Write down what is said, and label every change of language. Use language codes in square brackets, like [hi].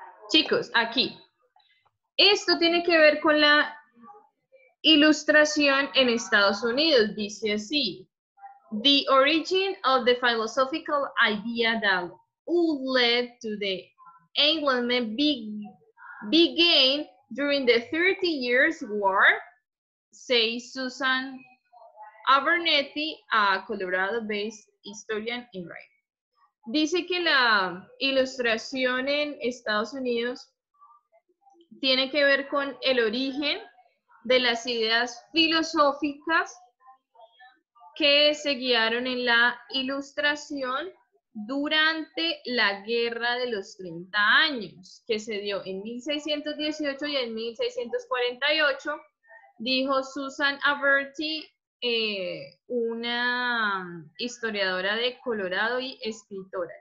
[es] Chicos, aquí. Esto tiene que ver con la ilustración en Estados Unidos. Dice así: [en] The origin of the philosophical idea that would lead to the enlightenment began during the 30 Years' War, say Susan Abernethy, a Colorado-based historian and writer. [es] Dice que la ilustración en Estados Unidos tiene que ver con el origen de las ideas filosóficas que se guiaron en la ilustración durante la Guerra de los 30 años, que se dio en 1618 y en 1648, dijo Susan Abernethy, una historiadora de Colorado y escritora.